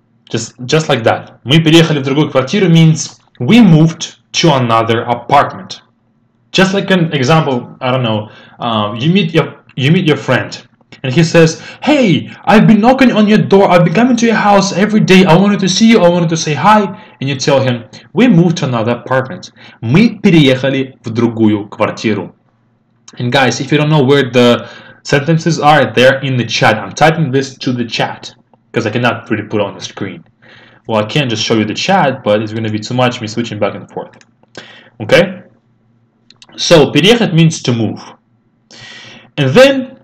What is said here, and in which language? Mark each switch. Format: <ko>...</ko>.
<en>Just like that.</en> <ru>Мы переехали в другую квартиру</ru> <en>means we moved to another apartment. Just like an example, I don't know, you meet your friend. And he says, hey, I've been knocking on your door. I've been coming to your house every day. I wanted to see you. I wanted to say hi. And you tell him, we moved to another apartment.</en> <ru>Мы переехали в другую квартиру.</ru> <en>And guys, if you don't know where the sentences are, they're in the chat. I'm typing this to the chat because I cannot really put it on the screen. Well, I can't just show you the chat, but it's going to be too much me switching back and forth. Okay? So, переехать means to move. And then...</en>